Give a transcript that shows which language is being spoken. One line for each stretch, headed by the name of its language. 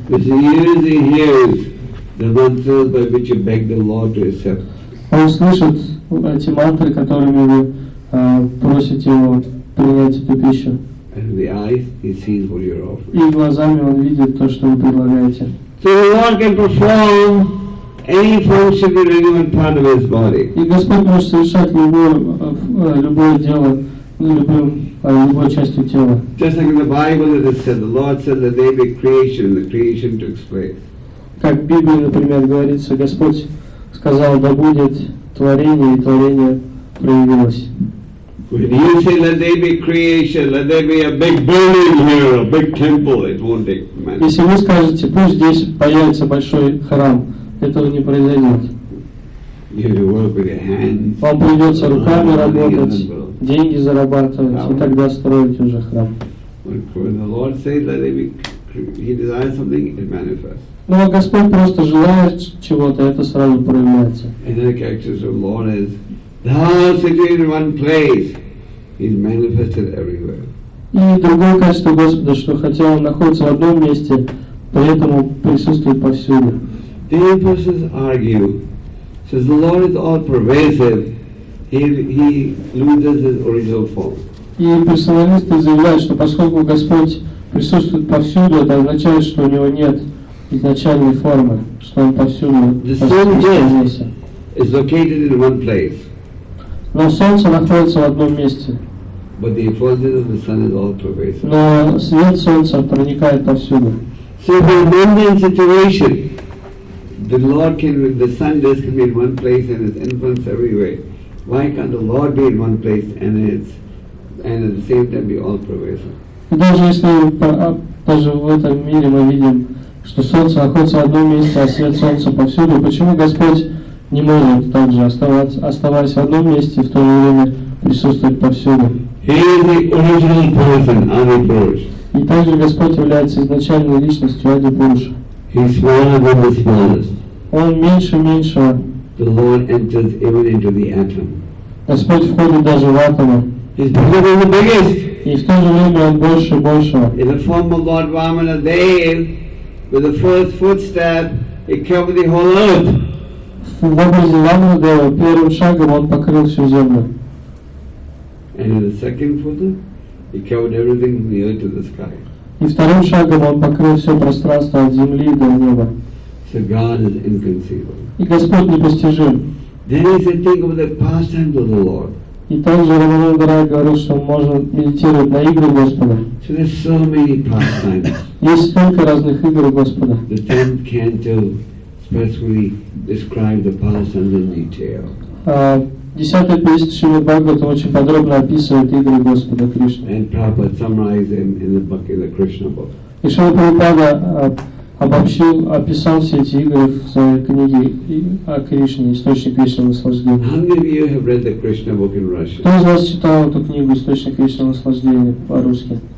English: With ears and hearing, the mantras by which you beg the Lord to accept.
Russian: Он слышит эти мантры, которыми вы просите его принять эту пищу.
English: And the eyes, he sees what you're offering.
Russian: И глазами он видит то, что вы предлагаете.
English: So the Lord can perform any function in any one part of his body.
Russian: И Господь может совершать любое дело, любой частью тела.
English: Just like in the Bible it is said, the Lord said that they be creation, and the creation took place.
Russian: Как в Библии, например, говорится, Господь сказал, да будет творение, и творение проявилось.
English: When you say, let there be creation, let there be a big building here, a big temple, it won't take many.
Russian: Если вы скажете, пусть здесь появится большой храм, этого не произойдет. Вам придется руками работать, деньги зарабатывать, и тогда строить уже храм.
English: When the Lord says, let there be, he desires something, it manifests.
Russian: Ну а Господь просто желает чего-то, это сразу проявляется.
English: And the characteristics of the Lord is thou sitting in one place, he's manifested everywhere.
Russian: И другое качество Господа, что хотя он находится в одном месте, при этом присутствует повсюду.
English: The impersonalists argue, says the Lord is all pervasive, he loses his original form.
Russian: И персоналисты заявляют, что поскольку Господь присутствует повсюду, это означает, что у него нет изначальной формы, что он повсюду.
English: The sun just is located in one place.
Russian: Но солнце находится в одном месте.
English: But the influences of the sun is all pervasive.
Russian: Но свет солнца проникает повсюду.
English: So in a mundane situation, the Lord can, the sun just can be in one place and his influence everywhere. Why can't the Lord be in one place and his, and at the same time be all pervasive?
Russian: Даже если даже в этом мире мы видим, что солнце находится в одном месте, а свет солнца повсюду, почему Господь не может также оставаться, оставаясь в одном месте, в то же время присутствовать повсюду?
English: He is the original person, Adi Purush.
Russian: И также Господь является изначальной личностью Ади Пуруша.
English: He is smaller than the smallest.
Russian: Он меньше меньшего.
English: The Lord enters even into the atom.
Russian: Господь входит даже в атомы.
English: He is bigger than the biggest.
Russian: И в то же время он больше и больше.
English: In the form of Lord Vamana Dev, with the first footstep, he covered the whole earth.
Russian: В образе Вамана Дева первым шагом он покрыл всю землю.
English: And in the second footstep, he covered everything from the earth to the sky.
Russian: И вторым шагом он покрыл все пространство от земли до неба.
English: So God is inconceivable.
Russian: И Господь непостижим.
English: Then he said, think of the pastimes of the Lord.
Russian: И также Рамана Дарай говорил, что мы можем медитировать на игры Господа.
English: So there's so many pastimes.
Russian: Есть столько разных игр Господа.
English: The tenth canto specifically describes the pastimes in detail.
Russian: Десятая песня Шримад Бхагаватам очень подробно описывает игры Господа Кришны.
English: And Prabhupada summarized them in the book, in the Krishna book.
Russian: И Шрила Прабхупада обобщил, описал все эти игры в своей книге о Кришне, источник Кришны наслаждения.
English: How many of you have read the Krishna book in Russian?
Russian: Кто из вас читал эту книгу «Источник Кришны наслаждения» по-русски?